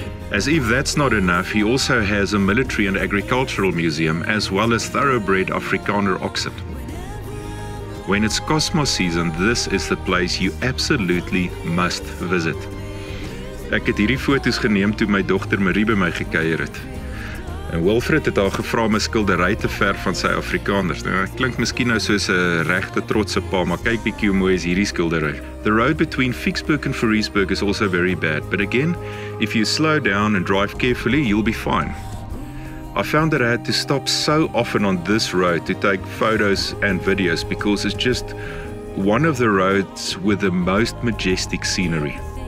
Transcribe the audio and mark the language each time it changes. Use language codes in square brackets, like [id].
[en] As if that's not enough, he also has a military and agricultural museum, as well as thoroughbred Afrikaner oxen. When it's Cosmos season, this is the place you absolutely must visit. [af] Ek het hierdie foto's geneem toe my dogter Marie by my gekuier het. En Wilfred het haar gevra om 'n skildery te verf van sy Afrikaners. Nou, dit klink miskien nou soos 'n regte trotse pa, maar kyk bietjie hoe mooi is hierdie skildery. [en] The road between Ficksburg and Fariesburg is also very bad, but again, if you slow down and drive carefully, you'll be fine. I found that I had to stop so often on this road to take photos and videos because it's just one of the roads with the most majestic scenery.